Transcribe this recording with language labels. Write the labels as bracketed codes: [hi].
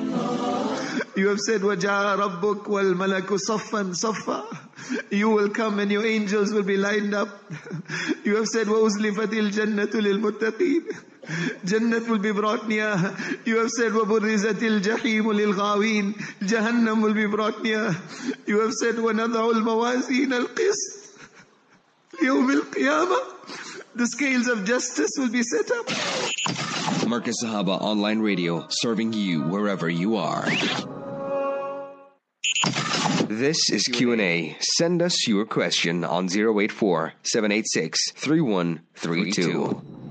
[ar] ya. [en] You have said, [ar] وَجَاءَ رَبُّكْ وَالْمَلَكُ صَفًّا صَفًّا. [en] You will come and your angels will be lined up. You have said, [ar] وَأُزْلِفَتِ الْجَنَّةُ لِلْمُتَّقِينَ. [en] Jannat will be brought near. You have said, [ar] وَبُرِّزَتِ الْجَحِيمُ لِلْغَاوِينَ. [en] Jahannam will be brought near. You have said, [ar] وَنَضَعُ الْمَوَازِينَ الْقِسْطِ يَوْمِ الْقِيَامَةِ. [en] The scales of justice will be set up. Marcus Sahaba Online Radio, serving you wherever you are. This is Q&A. Send us your question on 084-786-3132.